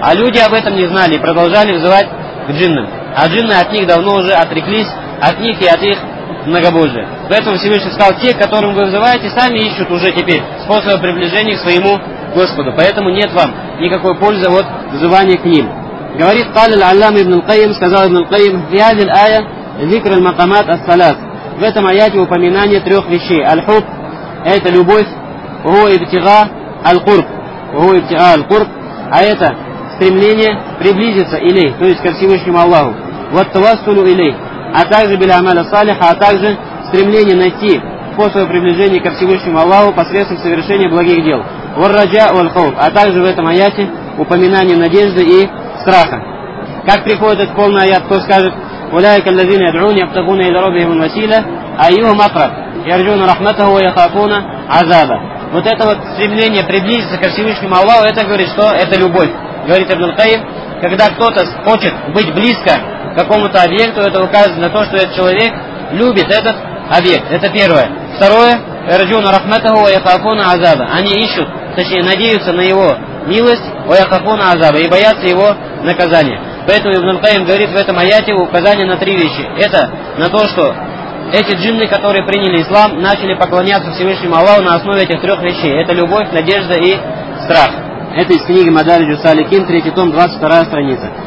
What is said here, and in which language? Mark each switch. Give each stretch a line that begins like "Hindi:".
Russian: А люди об этом не знали и продолжали взывать к джиннам. А джинны от них давно уже отреклись, от них и от их многобожия. Поэтому Всевышний сказал, те, которым вы взываете, сами ищут уже теперь способы приближения к своему Господу. Поэтому нет вам никакой пользы от взывания к ним.
Arabic: Говорит قال العلامة ابن القيم, сказал ابن القيم, في هذه الآية ذكر المقامات الثلاث.
Russian: В этом аяте упоминание трех вещей. Аль-хуб, это любовь, هو ابتغاء القرب, а это стремление приблизиться إليه, то есть ко Всевышнему Аллаху. والتوسل إليه, а также بالأعمال الصالحة, а также стремление найти способ приближения ко Всевышнему Аллаху посредством совершения благих дел. والرجاء والخوف, а также в этом аяте упоминание надежды и страха. Как приходит этот полный аят, кто скажет?
Arabic: أولئك الذين يدعون يبتغون إلى ربهم الوسيلة أيهم أقرب يرجون رحمته ويخافون عذابه.
Russian: Вот это вот стремление приблизиться ко Всевышнему Аллаху, это говорит, что это любовь. Говорит Ибн Аль-Каим, когда кто-то хочет быть близко к какому-то объекту, это указывает на то, что этот человек любит этот объект. Это первое. Второе, يرجون رحمته ويخافون عذابه. Они ищут, точнее надеются на его милость, ويخافون عذابه, и боятся его наказания. Поэтому Ибн Аль-Каим говорит в этом аяте указание на три вещи. Это на то, что эти джинны, которые приняли ислам, начали поклоняться Всевышнему Аллаху на основе этих трех вещей. Это любовь, надежда и страх. Это из книги Мадариджу Салихин, 3 том, 22 страница.